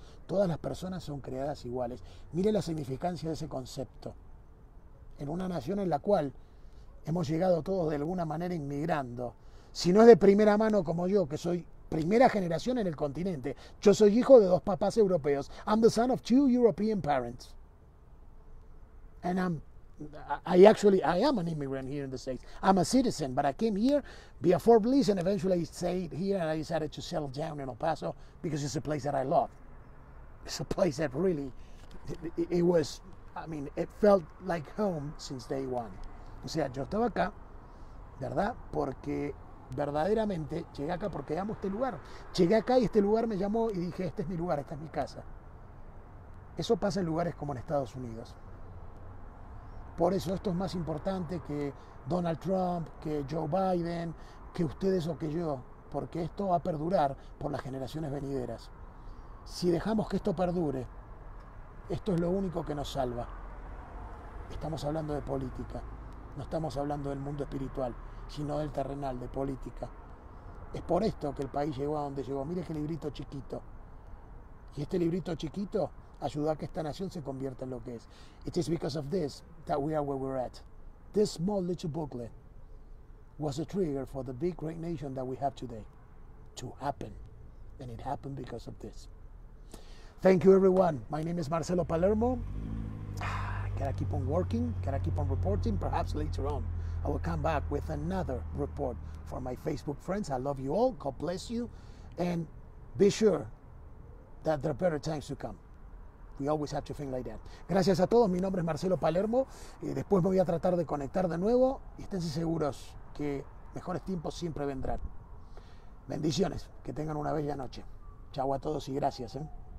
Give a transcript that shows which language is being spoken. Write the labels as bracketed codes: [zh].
[es] Todas las personas son creadas iguales. Mire la significancia de ese concepto. En una nación en la cual hemos llegado todos de alguna manera inmigrando, si no es de primera mano como yo, que soy primera generación en el continente, yo soy hijo de dos papás europeos. [en] I'm the son of two European parents. And I am an immigrant here in the States. I'm a citizen, but I came here via Fort Bliss and eventually stayed here and I decided to settle down in El Paso because it's a place that I love. It's a place that really, it felt like home since day one. [es] O sea, yo estaba acá, ¿verdad? Porque verdaderamente llegué acá porque amo este lugar. Llegué acá y este lugar me llamó y dije, este es mi lugar, esta es mi casa. Eso pasa en lugares como en Estados Unidos. Por eso esto es más importante que Donald Trump, que Joe Biden, que ustedes o que yo, porque esto va a perdurar por las generaciones venideras. Si dejamos que esto perdure, esto es lo único que nos salva. Estamos hablando de política, no estamos hablando del mundo espiritual, sino del terrenal, de política. Es por esto que el país llegó a donde llegó. Mire qué librito chiquito. Y este librito chiquito ayudó a que esta nación se convierta en lo que es. [en] It is because of this that we are where we're at. This small little booklet was a trigger for the big great nation that we have today to happen. And it happened because of this. Thank you, everyone. My name is Marcelo Palermo. Gotta keep on working, gotta keep on reporting. Perhaps later on, I will come back with another report for my Facebook friends. I love you all. God bless you. And be sure that there are better times to come. We always have to think like that. [es] Gracias a todos. Mi nombre es Marcelo Palermo. Después me voy a tratar de conectar de nuevo. Y estén seguros que mejores tiempos siempre vendrán. Bendiciones. Que tengan una bella noche. Chao a todos y gracias.